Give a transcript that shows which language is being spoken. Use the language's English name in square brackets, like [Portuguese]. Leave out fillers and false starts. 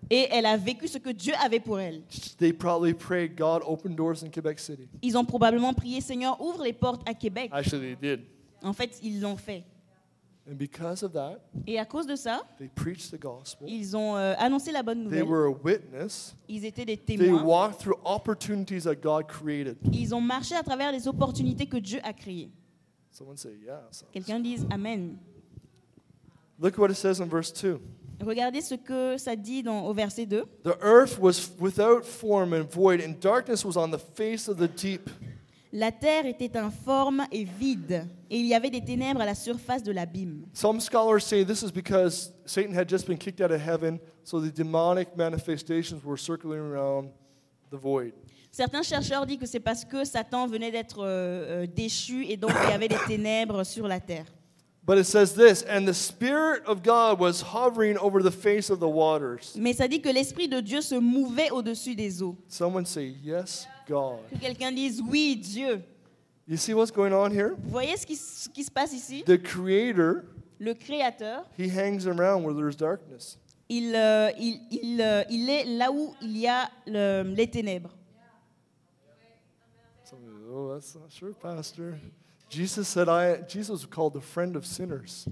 [French] Et elle a vécu ce que Dieu avait pour elle. [English] They probably prayed, God, open doors in Quebec City. [French] Ils ont probablement prié, Seigneur, ouvre les portes à Québec. [English] Actually, they did. [French] En fait, ils l'ont fait. [English] And because of that, [French] et à cause de ça, [English] they preached the gospel. [French] Ils ont annoncé la bonne nouvelle. [English] They were a witness. [French] Ils étaient des témoins. [English] They walked through opportunities that God created. [French] Ils ont marché à travers les opportunités que Dieu a créées. [English] Someone say yes. [French] Quelqu'un dise amen. [English] Look what it says in verse 2. [French] Regardez ce que ça dit au verset 2. [English] The earth was without form and void, and darkness was on the face of the deep. [French] La terre était informe et vide, et il y avait des ténèbres à la surface de l'abîme. [English] Some scholars say this is because Satan had just been kicked out of heaven, so the demonic manifestations were circling around the void. [French] Certains chercheurs disent que c'est parce que Satan venait d'être déchu et donc il y avait des ténèbres sur la terre. [English] But it says this, and the Spirit of God was hovering over the face of the waters. [French] Mais ça dit que l'Esprit de Dieu se mouvait au-dessus des eaux. [English] Someone say, yes, God. [French] Que quelqu'un dise, oui, Dieu. [English] You see what's going on here? [French] Vous voyez ce qui se passe ici? [English] The Creator, [French] le Créateur, [English] he hangs around where there's darkness. [French] Il est là où il y a les ténèbres. [English] Oh, that's not sure, Pastor. Jesus said, Jesus was called the friend of sinners.